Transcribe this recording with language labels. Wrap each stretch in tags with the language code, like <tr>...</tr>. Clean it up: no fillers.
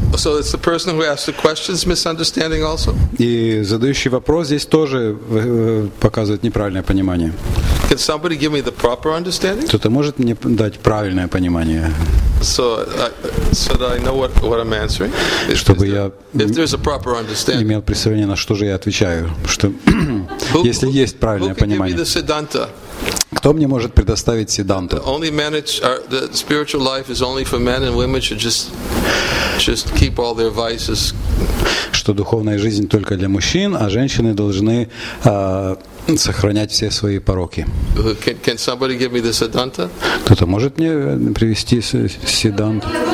<en>So it's the person who asks the questions misunderstanding also.</en> <ru>И задающий вопрос здесь тоже показывает неправильное понимание.</ru> <en>Can somebody give me the proper understanding?</en> <ru>Кто-то может мне дать правильное понимание?</ru> <en>So that I know what I'm answering.</en> <ru>Чтобы я.</ru> <en>If there's a proper understanding.</en> <ru>Имел представление, на что же я отвечаю, что если есть правильное понимание.</ru> <en>Who can give me the Siddhanta?</en> <ru>Кто мне может предоставить Сиддханту?</ru> <en>Only manage the spiritual life is only for men, and women should just keep all their vices.</en> <ru>Что духовная жизнь только для мужчин, а женщины должны сохранять все свои пороки.</ru> <en>Can somebody give me the Siddhanta?</en> <ru>Кто-то может мне привести Сиддханту?</ru>